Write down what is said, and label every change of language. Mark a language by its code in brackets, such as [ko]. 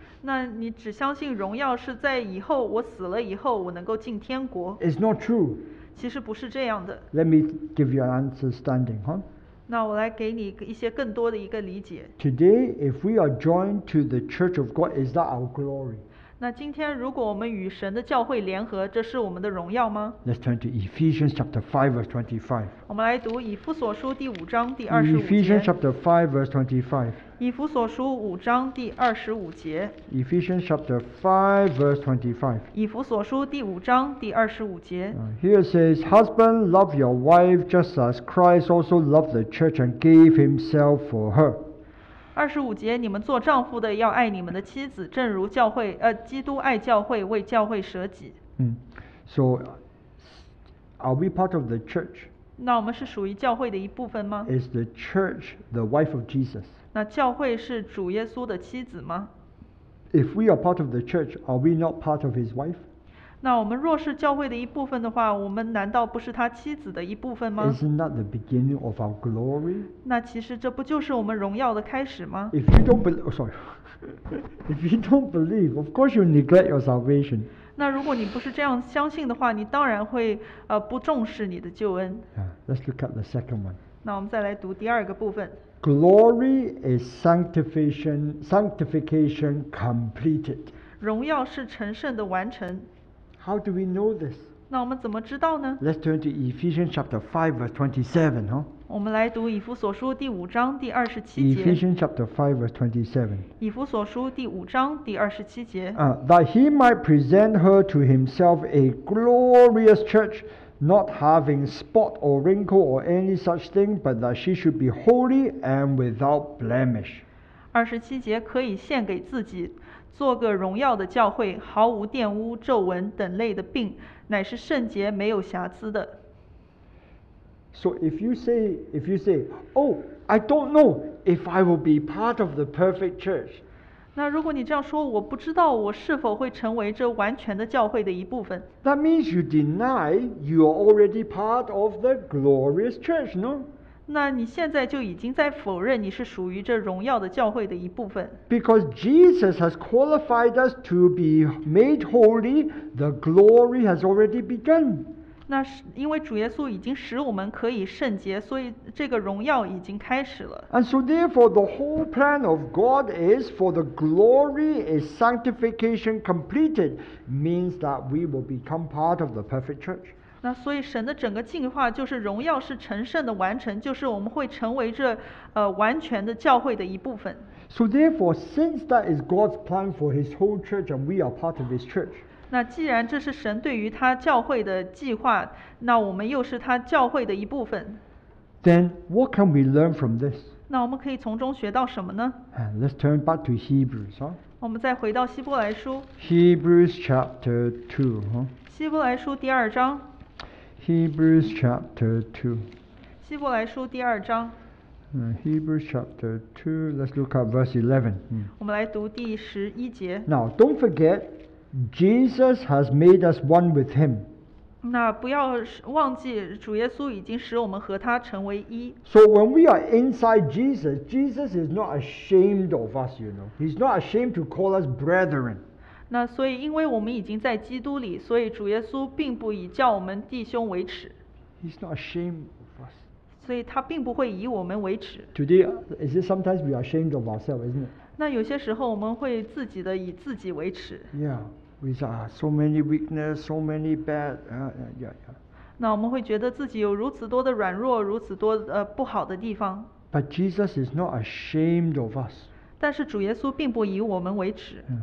[zh] 那你只相信荣耀是在以后，我死了以后我能够进天国。 [en] It's not true. [zh] 其实不是这样的。 [en] Let me give you an understanding, huh? [zh] 那我来给你一些更多的一个理解。 [en] Today, if we are joined to the church of God, is that our glory? [zh] 那今天如果我们与神的教会联合，这是我们的荣耀吗？ [en] Let's turn to Ephesians chapter 5 verse 25. [zh] 我们来读以弗所书第五章第二十五节。 [en] Ephesians chapter 5 verse 25. [zh] 以弗所书五章第二十五节。 [en] Ephesians chapter 5 verse 25. [zh] 以弗所书第五章第二十五节。 [en] Here it says, Husband, love your wife just as Christ also loved the church and gave himself for her. [zh] 二十五节，你们做丈夫的要爱你们的妻子，正如教会基督爱教会，为教会舍己。 [en] So are we part of the church? [zh] 那我们是属于教会的一部分吗？ [en] Is the church the wife of Jesus? [zh] 那教会是主耶稣的妻子吗？ [en] If we are part of the church, are we not part of his wife? [zh] 那我们若是教会的一部分的话，我们难道不是他妻子的一部分吗？ [en] Isn't that the beginning of our glory? [zh] 那其实这不就是我们荣耀的开始吗？ [en] If you don't believe, if you don't believe, of course you neglect your salvation. [zh] 那如果你不是这样相信的话，你当然会不重视你的救恩。 [en] Yeah, let's look at the second one. [zh] 那我们再来读第二个部分。 [en] Glory is sanctification completed. [zh] 荣耀是成圣的完成。 [en] How do we know this? [zh] 那我们怎么知道呢？ [en] Let's turn to Ephesians chapter 5 verse 27, huh? [zh] 我们来读以弗所书第五章第二十七节。 [en] Ephesians chapter 5 verse 27. [zh] 以弗所书第五章第二十七节。 [en] That he might present her to himself a glorious church, not having spot or wrinkle or any such thing, but that she should be holy and without blemish. [zh] 二十七节，可以献给自己。做个荣耀的教会，毫无玷污、皱纹等类的病，乃是圣洁、没有瑕疵的。 [en] So if you say, oh, I don't know if I will be part of the perfect church. [zh] 那如果你这样说，我不知道我是否会成为这完全的教会的一部分。 [en] That means you deny you are already part of the glorious church, no? [zh] 那你现在就已经在否认你是属于这荣耀的教会的一部分。 [en] Because Jesus has qualified us to be made holy, the glory has already begun. [zh] 那是因为主耶稣已经使我们可以圣洁，所以这个荣耀已经开始了。 [en] And so therefore the whole plan of God is for the glory is sanctification completed, means that we will become part of the perfect church. [zh] 那所以神的整个计划就是荣耀是成圣的完成，就是我们会成为这完全的教会的一部分。 [en] So therefore, since that is God's plan for His whole church and we are part of His church, [zh] 那既然这是神对于他教会的计划，那我们又是他教会的一部分。 [en] Then what can we learn from this? [zh] 那我们可以从中学到什么呢？ [en] And let's turn back to Hebrews, huh? [zh] 我们再回到希伯来书。 [en] Hebrews chapter 2, huh? [zh] 希伯来书第二章。 [en] Hebrews chapter 2. [zh] 希伯来书第二章。 [en] Hebrews chapter 2, let's look at verse 11. [zh] 我们来读第十一节。 [en] Now, don't forget, Jesus has made us one with him. [zh] 那不要忘记主耶稣已经使我们和他成为一。 [en] So when we are inside Jesus, Jesus is not ashamed of us, you know. He's not ashamed to call us brethren. [zh] 那所以因为我们已经在基督里，所以主耶稣并不以叫我们弟兄为耻。 [en] He's not ashamed of us. [zh] 所以他并不会以我们为耻。 [en] Today, is it sometimes we are ashamed of ourselves, isn't it? [zh] 那有些时候我们会自己的以自己为耻。 [en] Yeah, with so many weakness, so many bad, yeah. [zh] 那我们会觉得自己有如此多的软弱，如此多不好的地方。 [en] But Jesus is not ashamed of us. [zh] 但是主耶稣并不以我们为耻。